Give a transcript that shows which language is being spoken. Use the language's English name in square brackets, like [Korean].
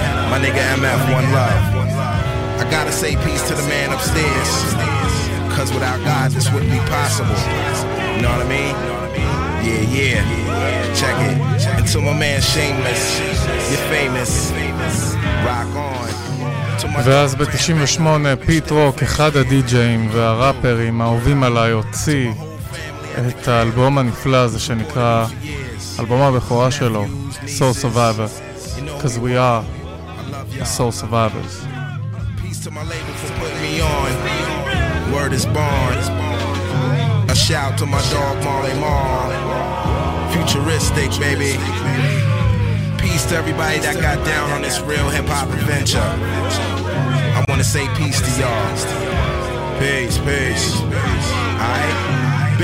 [English] My nigga MF, one love. I gotta say peace to the man upstairs. Cause without God, this wouldn't be possible. You know what I mean? Yeah, yeah. Check it. And to my man Shameless, you're famous. Rock on. [Hebrew] ואז ב-98 פיט רוק, אחד הדי-ג'אים והראפרים האהובים עליי, הוציא את האלבום הנפלא הזה שנקרא אלבום הבכורה שלו, Soul Survivor, [English] Cause We Are the Soul Survivors. Peace to my label for putting me on. Word is born. A shout to my dog Marley Marl. Futuristic, baby. Peace to everybody that got down on this real hip-hop adventure. I wanna say peace to y'all. Peace, peace. Alright? B.